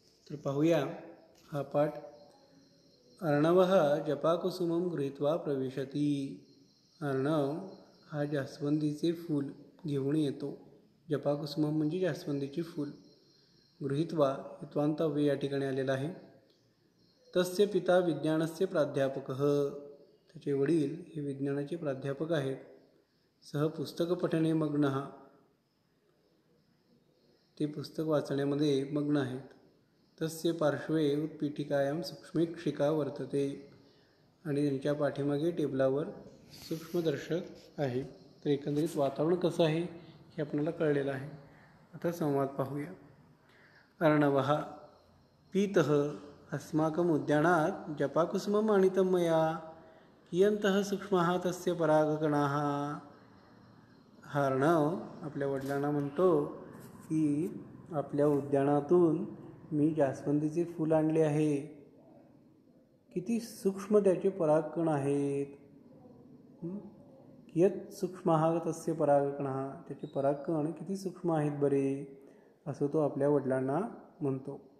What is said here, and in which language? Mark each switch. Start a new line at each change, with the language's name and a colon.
Marathi: तर पाहूया हा पाठ।
Sanskrit: अर्णवः जपाकुसुमं गृहीत्वा प्रविशति।
Marathi: अर्णव हा जास्वंदीचे फूल घेऊन येतो। जपाकुसुमं म्हणजे जास्वंदीचे फूल। गृहीत्वा हित्वांतव्य या ठिकाणी आलेला आहे।
Sanskrit: तस्य पिता विज्ञानस्य प्राध्यापकः।
Marathi: त्याचे वडील हे विज्ञानाचे प्राध्यापक आहेत।
Sanskrit: सह पुस्तक पठने मग्न,
Marathi: ते पुस्तक वाचण्यामध्ये मग्न आहेत।
Sanskrit: तस्य पार्श्वे उत्पीठिकायां सूक्ष्मेक्षिका वर्तते।
Marathi: आणि त्यांच्या पाठीमागे टेबलावर सूक्ष्मदर्शक आहे। तर एकंदरीत वातावरण कसं आहे हे आपल्याला कळलेलं आहे। आता संवाद पाहूया।
Sanskrit: अर्णवः पितः अस्माकम् उद्यानात् जपाकुसुमम् आनीतं मया। कियन्तः सूक्ष्माः तस्य परागकणाः।
Marathi: हा अर्णव आपल्या वडिलांना म्हणतो की आपल्या उद्यानातून मी जास्वंदीचे फूल आणले आहे, किती सूक्ष्म त्याचे परागकण आहेत।
Sanskrit: कियत सूक्ष्म हा तस्य परागकण,
Marathi: हा त्याचे परागकण किती सूक्ष्म आहेत बरे, असं तो आपल्या वडिलांना म्हणतो।